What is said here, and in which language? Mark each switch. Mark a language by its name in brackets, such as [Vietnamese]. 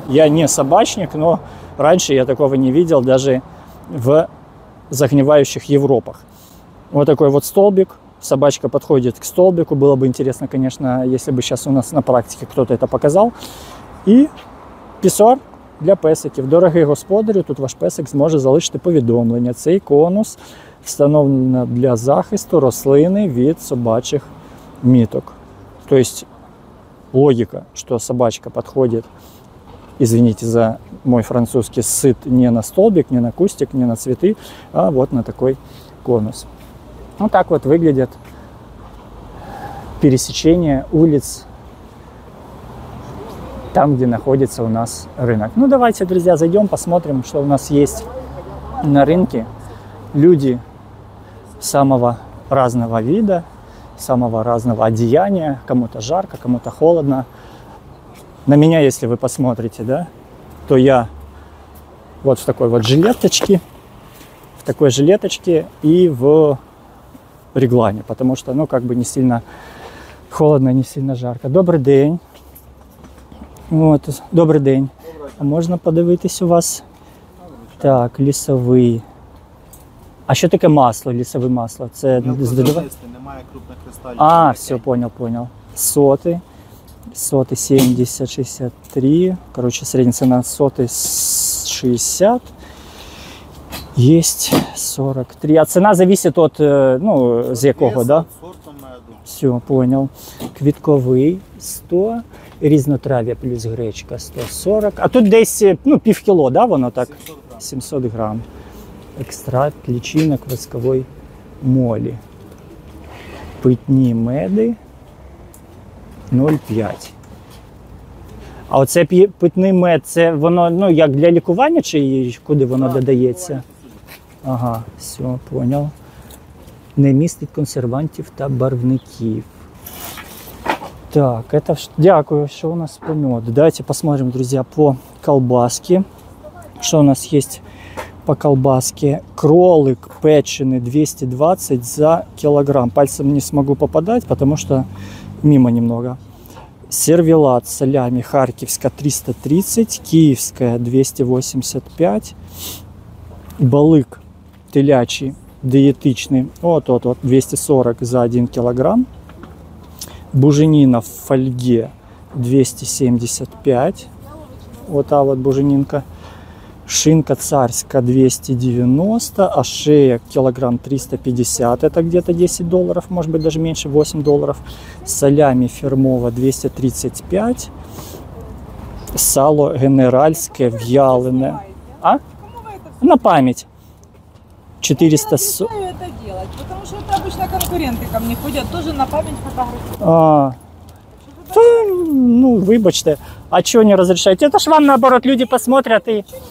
[Russian] Я не собачник, но раньше я такого не видел даже в загнивающих Европах. Вот такой вот столбик. Собачка подходит к столбику. Было бы интересно, конечно, если бы сейчас у нас на практике кто-то это показал. И писсуар для песиків. [Ukrainian] Дорогий господарю, тут ваш песик зможе залишити повідомлення. Цей конус встановлено для захисту рослини від собачих міток. [Russian] То есть логика, что собачка подходит, извините за мой французский, сыт не на столбик, не на кустик, не на цветы, а вот на такой конус. Вот так вот выглядят пересечения улиц там, где находится у нас рынок. Давайте, друзья, зайдем, посмотрим, что у нас есть на рынке. Люди самого разного вида, самого разного одеяния. Кому-то жарко, кому-то холодно. На меня, если вы посмотрите, да, то я вот в такой вот жилеточке. В такой жилеточке и в реглане. Потому что, не сильно холодно, не сильно жарко. Добрый день. Добрый день. [Ukrainian] можна подивитись у вас. Так, лісовий. А що таке масло, лісове масло? Це здивовисте, немає крупних кристалів. [Russian] А, все, понял, понял. Соти. Соти 70, 63. [Ukrainian] Короче, середня ціна соти 60. Єсть 43. А ціна залежить від, ну, з якого, да? Сорту меду. [Russian] Все, понял. Квітковий 100. [Ukrainian] Різнотрав'я плюс гречка 140. А тут десь, ну, пів кіло, да, воно так? 700 грам. 700 грам. Екстракт лічинок воскової молі. Питні меди 0,5. А оце питний мед, це воно, ну, як для лікування, чи куди воно додається? Ага, [Russian] все, понял. [Ukrainian] Не містить консервантів та барвників. Так, это дякую, що у нас по меду. [Russian] Давайте посмотрим, друзья, по колбаске. [Ukrainian] Що у нас є [Russian] по колбаске? [Ukrainian] Кролик печений 220 за кілограм. [Russian] Пальцем не смогу попадати, потому что мимо немного. [Ukrainian] Сервелат салями харківська 330, київська 285. Балик телячий, диетичний. От-от-от, 240 за 1 кілограм. [Russian] Буженина в фольге 275. [Ukrainian] Ота вот буженинка. Шинка царська 290, а шея кілограм 350, [Russian] это где-то [Ukrainian] 10 доларів, може бути, даже менше, 8 доларів. Салями фірмова 235. Сало генеральське в'ялене. А? На пам'ять. 440. [Russian] Я не знаю, это делать, потому что это обычно конкуренты ко мне ходят, тоже на память фотографируют. А, ну, вибачте, а чего не разрешаете? Это ж вам, наоборот, люди посмотрят и...